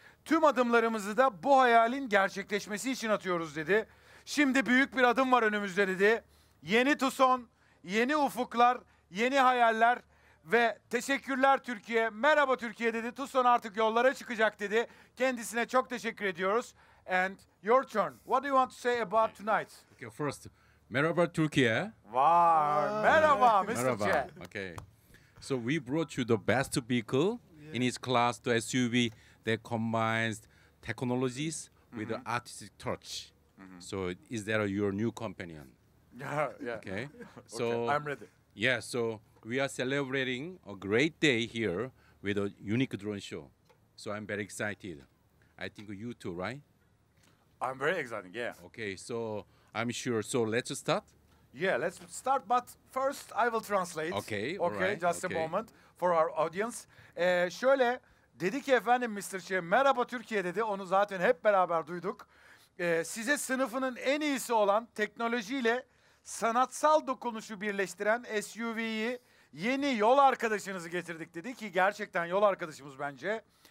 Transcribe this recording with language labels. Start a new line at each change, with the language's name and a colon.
Turkish: Tüm adımlarımızı da bu hayalin gerçekleşmesi için atıyoruz dedi. Şimdi büyük bir adım var önümüzde dedi. Yeni Tucson, yeni ufuklar, yeni hayaller ve teşekkürler Türkiye. Merhaba Türkiye dedi. Tucson artık yollara çıkacak dedi. Kendisine çok teşekkür ediyoruz.
English: And your turn. What do you want to say about tonight? Okay, first,
Turkish: merhaba Türkiye. Var. Merhaba, merhaba. Mr. Che.
English: Okay. So we brought you the best vehicle in its class, the SUV that combines technologies with the artistic touch. So is that your new companion? Yeah, yeah. Okay. So okay, I'm ready. Yeah, so we are celebrating a great day here with a unique drone show. So I'm very excited. I think you too, right? I'm very excited, yeah. Okay, so I'm sure. So let's start? Yeah, let's start. But first I will translate. Okay, okay, right, just okay. A moment for our audience.
Turkish: Şöyle dedi ki efendim Mr. Che, merhaba Türkiye dedi. Onu zaten hep beraber duyduk. Size sınıfının en iyisi olan teknolojiyle sanatsal dokunuşu birleştiren SUV'yi yeni yol arkadaşınızı getirdik dedi ki gerçekten yol arkadaşımız bence.